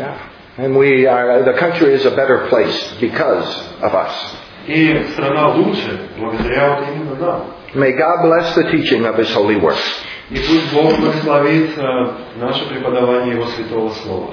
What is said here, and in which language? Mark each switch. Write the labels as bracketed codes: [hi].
[en] Yeah. And we are, the country is a better place because of us. [ru] И страна лучше благодаря вот именно нам. [en] May God bless the teaching of His holy word. [ru] И пусть Бог благословит наше преподавание Его святого слова.